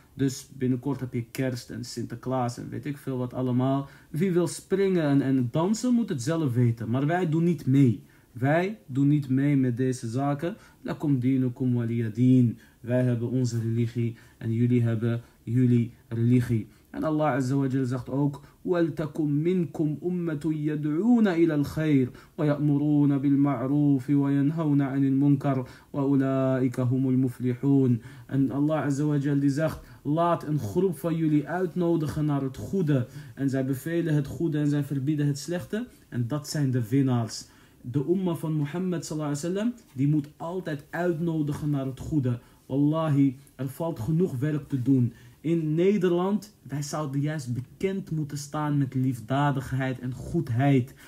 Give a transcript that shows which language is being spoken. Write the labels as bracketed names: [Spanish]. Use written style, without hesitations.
[Dutch] Dus binnenkort heb je kerst en Sinterklaas en weet ik veel wat allemaal. Wie wil springen en dansen, moet het zelf weten. Maar wij doen niet mee. Wij doen niet mee met deze zaken. [Arabic] Lakum dinukum waliyadin. [Dutch] Wij hebben onze religie en jullie hebben jullie religie. En Allah azza wa jalla zegt ook: [Arabic] وَلْتَكُمْ مِنْكُمْ أُمَّةٌ يَدْعُونَ إِلَى الْخَيْرِ وَيَأْمُرُونَ بِالْمَعْرُوفِ وَيَنْهَوْنَ عَنِ الْمُنْكَرِ وَأُولَٰئِكَ هُمُ الْمُفْلِحُونَ. [Dutch] En Allah [Arabic] azza wa jalla [Dutch] die zegt: laat een groep van jullie uitnodigen naar het goede. En zij bevelen het goede en zij verbieden het slechte. En dat zijn de winnaars. De umma van Mohammed [Arabic] sallallahu alayhi wa sallam, [Dutch] die moet altijd uitnodigen naar het goede. Wallahi, er valt genoeg werk te doen. In Nederland, wij zouden juist bekend moeten staan met liefdadigheid en goedheid.